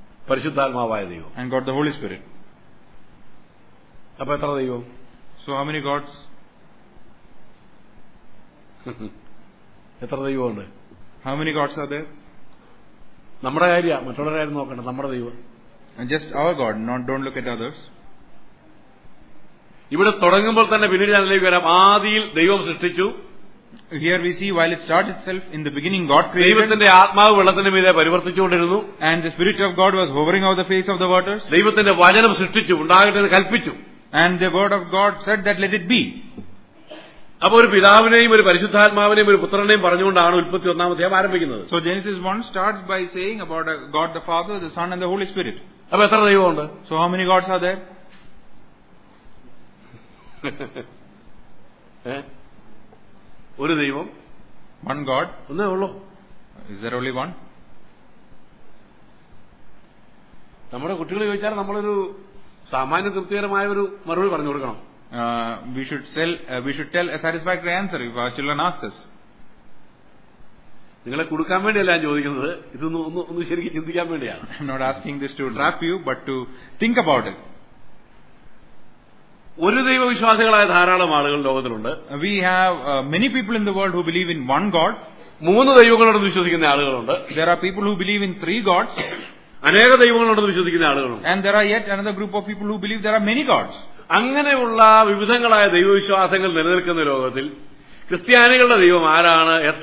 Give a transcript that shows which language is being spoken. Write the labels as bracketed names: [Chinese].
[Malayalam] പരിശുദ്ധാത്മാവായ ദൈവം. [English] And God the Holy Spirit. [Malayalam] അപ്പൊ എത്ര ദൈവം? [English] So how many gods? [Malayalam] എത്ര ദൈവമുണ്ട്? [English] How many gods are there? [Malayalam] നമ്മുടെ കാര്യം മറ്റുള്ളവരെ ആരും നോക്കണ്ട, നമ്മുടെ ദൈവം. [English] Just our God, don't look at others. [Malayalam] ഇവിടെ തുടങ്ങുമ്പോൾ തന്നെ പിന്നീട് ഞാനിലേക്ക് വരാം. ആദിയിൽ ദൈവം സൃഷ്ടിച്ചു. [English] Here we see while it started itself in the beginning God created. [Malayalam] ദൈവത്തിന്റെ ആത്മാവ് വെള്ളത്തിന് മീതെ പരിവർത്തിച്ചുകൊണ്ടിരുന്നു. [English] And the Spirit of God was hovering over the face of the waters. [Malayalam] ദൈവത്തിന്റെ വചനം സൃഷ്ടിച്ചു, ഉണ്ടാകട്ടെ എന്ന് കൽപ്പിച്ചു. [English] And the word of God said that let it be. [Malayalam] അപ്പോൾ ഒരു പിതാവിനെയും ഒരു പരിശുദ്ധാത്മാവിനെയും ഒരു പുത്രനെയും പറഞ്ഞുകൊണ്ടാണ് ഉൽപ്പത്തി 1 അധ്യായം ആരംഭിക്കുന്നത്. [English] So Genesis 1 starts by saying about God the Father, the Son and the Holy Spirit. [Malayalam] അപ്പോൾ എത്ര ദൈവമുണ്ട്? [English] So how many gods are there? [Malayalam] ഒരു ദൈവം. [English] One God. [Malayalam] ഒന്നേ ഉള്ളൂ. [English] Is there only one? [Malayalam] നമ്മുടെ കുട്ടികൾ ചോദിച്ചാൽ നമ്മളൊരു സാമാന്യ തൃപ്തികരമായ ഒരു മറുപടി പറഞ്ഞു കൊടുക്കണം. [English] We should tell a satisfactory answer if our children ask us. [Malayalam] നിങ്ങളെ കൊടുക്കാൻ വേണ്ടിയല്ല ഞാൻ ചോദിക്കുന്നത്, ഇതൊന്നും ഒന്ന് ശരിക്കും ചിന്തിക്കാൻ വേണ്ടിയാണ്. [English] I'm not asking this to trap you but to think about it. [Malayalam] ഒരു ദൈവവിശ്വാസികളായ ധാരാളം ആളുകൾ ലോകത്തിലുണ്ട്. [English] We have many people in the world who believe in one God. [Malayalam] മൂന്ന് ദൈവങ്ങളോട് വിശ്വസിക്കുന്ന ആളുകളുണ്ട്. [English] There are people who believe in three gods. [Malayalam] അനേക ദൈവങ്ങളുണ്ടെന്ന് വിശ്വസിക്കുന്ന ആളുകളും. [English] And there are yet another group of people who believe there are many gods. [Malayalam] അങ്ങനെയുള്ള വിവിധങ്ങളായ ദൈവവിശ്വാസങ്ങൾ നിലനിൽക്കുന്ന ലോകത്തിൽ ക്രിസ്ത്യാനികളുടെ ദൈവം ആരാണ്?